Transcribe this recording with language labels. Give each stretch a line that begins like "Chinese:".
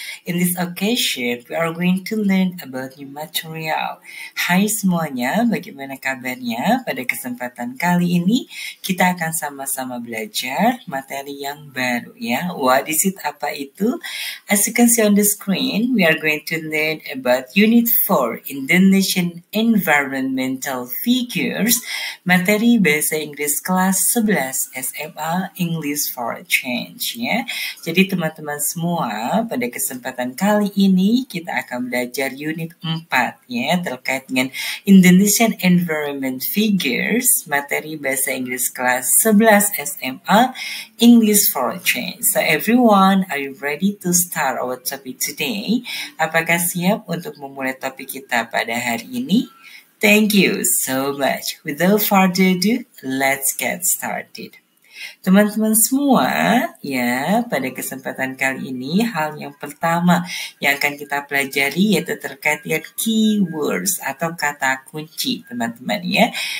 English: In this occasion, we are going to learn about new material.
Indonesian: Hi semuanya, bagaimana kabarnya? Pada kesempatan kali ini, kita akan sama-sama belajar materi yang baru ya.
English: What is it?
Indonesian: Apa itu?
English: As you can see on the screen, we are going to learn about Unit 4, Indonesian Environmental Figures.
Indonesian: Materi Bahasa Inggris kelas 11 SMA English for a Change ya. Jadi teman-teman semua, pada kesempatan kali ini kita akan belajar unit 4 ya, terkait dengan Indonesian Environment Figures, materi Bahasa Inggris kelas 11 SMA English for a Change.
English: So everyone, are you ready to start our topic today?
Indonesian: Apakah siap untuk memulai topik kita pada hari ini?
English: Thank you so much. Without further ado, let's get started.
Indonesian: Teman-teman semua, ya, pada kesempatan kali ini, hal yang pertama yang akan kita pelajari yaitu terkait dengan keywords atau kata kunci, teman-teman, ya.